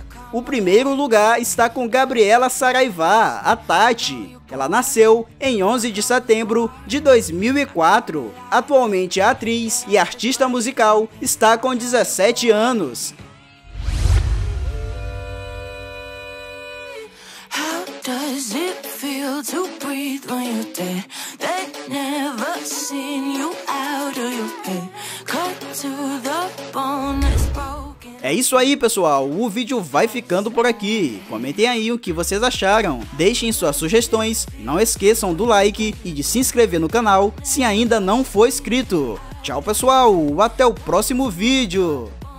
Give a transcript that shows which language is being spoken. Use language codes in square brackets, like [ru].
[pt] O primeiro lugar está com Gabriela Saraivá, a Tati. Ela nasceu em 11 de setembro de 2004. Atualmente, atriz e artista musical, está com 17 anos. [en] How does it feel to breathe when you're dead? They never seen you out of your head. Cut to the bone. [pt] É isso aí, pessoal. O vídeo vai ficando por aqui. Comentem aí o que vocês acharam. Deixem suas sugestões. Não esqueçam do like e de se inscrever no canal se ainda não for inscrito. Tchau, pessoal. Até o próximo vídeo.